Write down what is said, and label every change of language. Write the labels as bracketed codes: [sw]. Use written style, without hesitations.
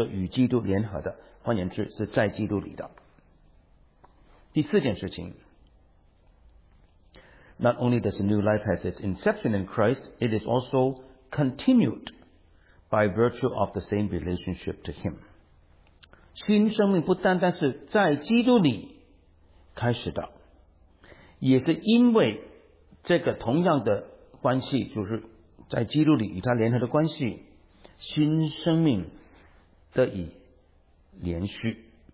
[zh] 信徒或者罪人具体的拥有救恩或者具体的得救，这个具体的得救的开始是借着与基督联合的，换言之是在基督里的。第四件事情, [en] Not only does the new life have its inception in Christ, it is also continued by virtue of the same relationship to Him. [zh] 新生命不单单是在基督里开始的，也是因为这个同样的关系，就是在基督里与他联合的关系，新生命得以延续。